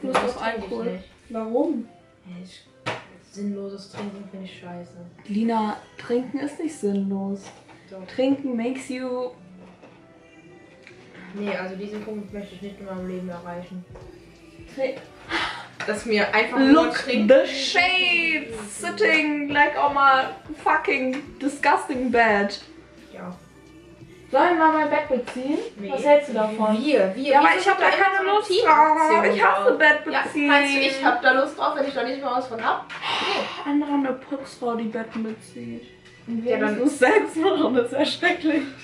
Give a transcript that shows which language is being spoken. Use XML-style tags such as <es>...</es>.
<de>Das ist eigentlich cool. Nicht. Warum? Ich, sinnloses Trinken finde ich scheiße. Lina, trinken ist nicht sinnlos. Doch. Trinken</de> <en>makes you...</en> <de>Nee, also diesen Punkt möchte ich nicht in meinem Leben erreichen. Dass mir einfach</de> <en>Look</en> <de>nur trinken.</de> <en>The shade sitting like on my fucking disgusting bed.</en> <de>Ja. Sollen wir mal mein Bett beziehen? Nee. Was hältst du davon? Wir. Ja, aber ich hab da keine Lust drauf. Ich hasse Bett beziehen. Ja, meinst du, ich hab da Lust drauf, wenn ich da nicht mehr was von hab? Okay. Andere haben eine Putzfrau, die Bett bezieht. Und wir haben es selbst machen, das ist erschrecklich.</de>